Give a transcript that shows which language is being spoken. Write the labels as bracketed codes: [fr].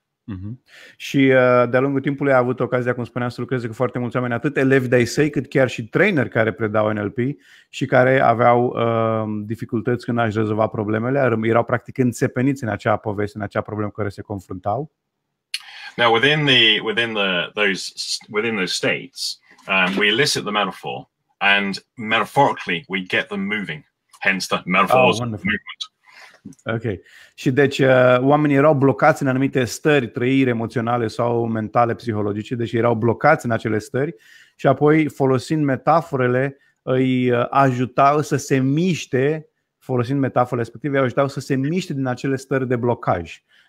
[ro] Mm-hmm. Și de-a lungul timpului a avut ocazia, cum spuneam, să lucreze cu foarte mulți oameni, atât elevi de-ai săi, cât chiar și trainer care predau NLP și care aveau dificultăți când a-și rezolva problemele, erau practic înțepeniți în acea poveste, în acea problemă cu care se confruntau. [en] Now within those states, we elicit the metaphor and metaphorically we get them moving. Hence the metaphors of movement. Ok. [ro] Și deci oamenii erau blocați în anumite stări, trăiri emoționale sau mentale, psihologice, deci erau blocați în acele stări și apoi folosind metaforele îi ajutau să se miște, folosind metaforele respective, îi ajutau să se miște din acele stări de blocaj.